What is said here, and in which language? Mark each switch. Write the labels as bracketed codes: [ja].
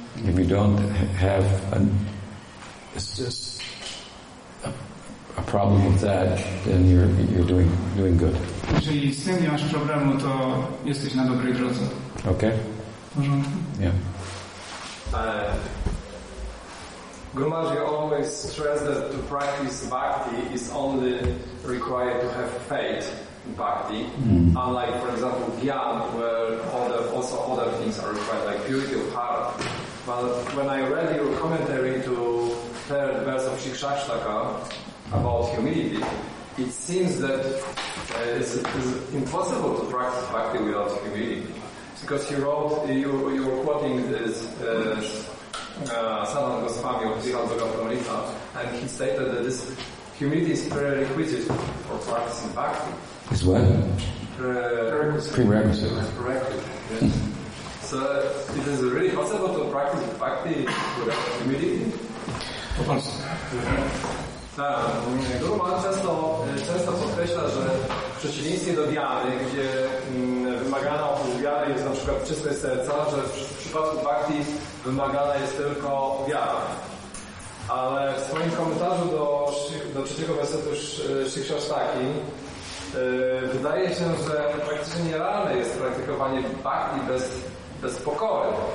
[en] If you don't have it's just a problem with that, then you're doing good. [pl] Jeżeli z tym nie masz problemu, to jesteś na dobrej drodze. [en] Okay. [pl] W porządku. [en] Yeah. Guruji always stressed that to practice bhakti is only required to have faith in bhakti. Mm. Unlike, for example, dhyan, where other things are required, like purity of heart. But when I read your commentary to third verse of Shikshashtaka about humility, it seems that it's impossible to practice bhakti without humility. Because he wrote, you were quoting this Sanatana Goswami of Brihadbhagavatamrita, and he stated that this humility is prerequisite for practicing bhakti. Is what? Prerequisite. Prerequisite. So it is really possible to practice bhakti without humility? Of course. [pl] Tak, Guru Maharaj często podkreśla, że w przeciwieństwie do wiary, gdzie wymagana od wiary jest na przykład czyste serca, że w przypadku bhakti wymagana jest tylko wiara. Ale w swoim komentarzu do trzeciego wersetu Shikshashtaki wydaje się, że praktycznie nierealne jest praktykowanie bhakti bez pokory.